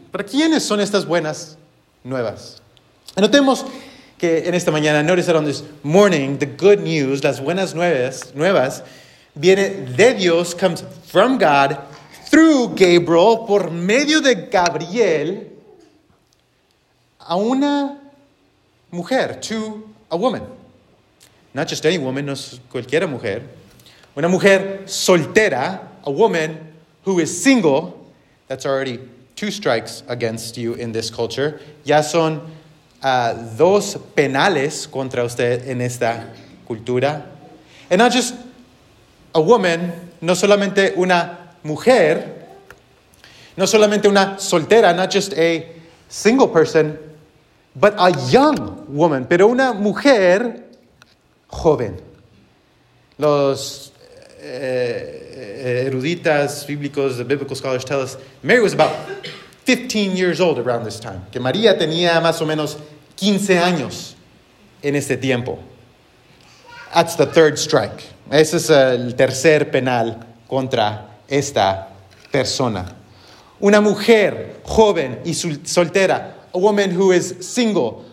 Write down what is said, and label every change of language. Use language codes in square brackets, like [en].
[es] ¿Para quiénes son estas buenas nuevas? Notemos que en esta mañana, [en] notice that on this morning, the good news, [es] las buenas nuevas, viene de Dios, [en] comes from God, through Gabriel, [es] por medio de Gabriel, a una mujer, [en] to a woman. Not just any woman, [es] no es cualquiera mujer. Una mujer soltera, [en] a woman who is single, that's already two strikes against you in this culture. [es] Ya son dos penales contra usted en esta cultura. [en] And not just a woman, [es] no solamente una mujer, no solamente una soltera, [en] not just a single person, but a young woman, [es] pero una mujer joven. Los eruditas bíblicos, [en] the biblical scholars tell us Mary was about 15 years old around this time. [es] Que María tenía más o menos 15 años en este tiempo. [en] That's the third strike. [es] Ese es el tercer penal contra esta persona. Una mujer joven y soltera. [en] A woman who is single.